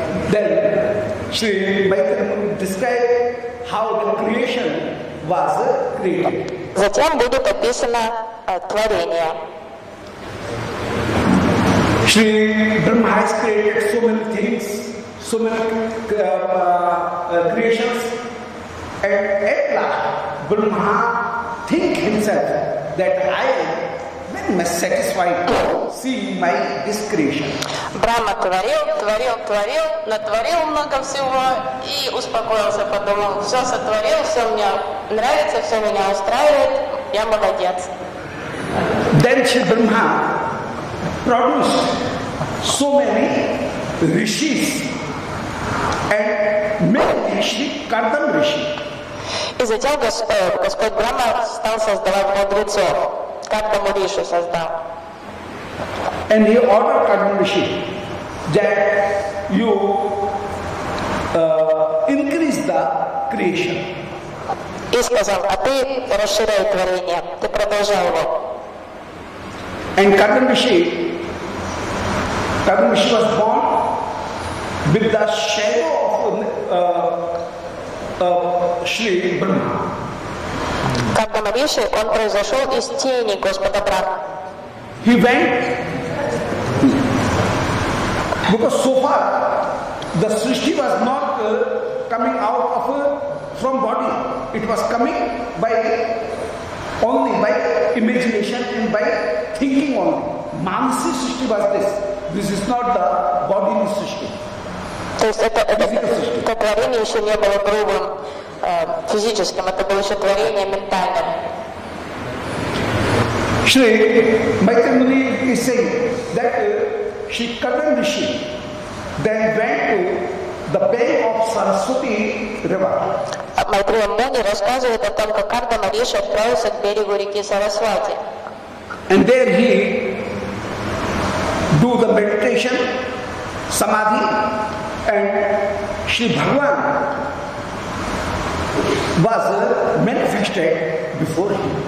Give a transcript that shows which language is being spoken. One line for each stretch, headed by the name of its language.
English: Then Shri Maitreya describe how the creation was created.
Russian: Затем будет описано творение.
English: Shri Brahma has created so many things. So many creations, and at last, Brahma think himself that I am satisfied. See my discretion.
Russian: Brahma творил, натворил много всего и успокоился, подумал, все сотворил, все мне нравится, все меня устраивает, я молодец.
English: Then Shri Brahma produced so many rishis. And many rishi, Kardama rishi.
Russian: И затем Господь Брама стал создавать мудрецов, Кардама риши создал.
English: And he ordered Kardama rishi that you increase the creation.
Russian: И сказал, а ты расширяй творение, ты продолжай его.
English: And Kardama rishi was born with the shadow of Shri Brahma.
Russian: Kardama Rishi, он произошел из тени Господа Брахма.
English: He went, because so far the Srishti was not coming out of from body. It was coming by only by imagination and by thinking only. Manasi Srishti was this. This is not the bodily Srishti.
Russian: То есть это творение еще не было грубым, физическим, это было еще творение ментальным.
English: Shri Maitreya Muni is saying that Shri Kardama Rishi then went to the bank of Saraswati River.
Russian: Maitreya Muni рассказывает о том, как Кардама Риши отправился к берегу реки Сарасвати.
English: And there he do the meditation, samadhi. And Shri Bhagavan was manifested before him.